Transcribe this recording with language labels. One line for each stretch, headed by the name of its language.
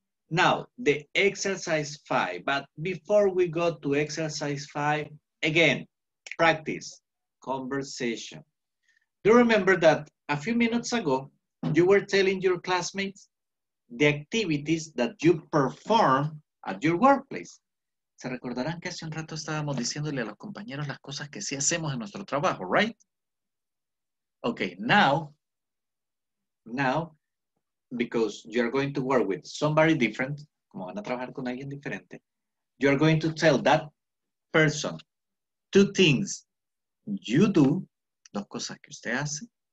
English: Now, the exercise five, but before we go to exercise five, again, practice, conversation. Do you remember that a few minutes ago, you were telling your classmates the activities that you perform at your workplace?
Spanish: Se recordarán que hace un rato estábamos diciéndole a los compañeros las cosas que sí hacemos en nuestro trabajo, right?
English: Okay, now, because you are going to work with somebody different,
Spanish: como van a trabajar con alguien diferente,
English: you are going to tell that person two things you do,
Spanish: dos cosas que usted hace,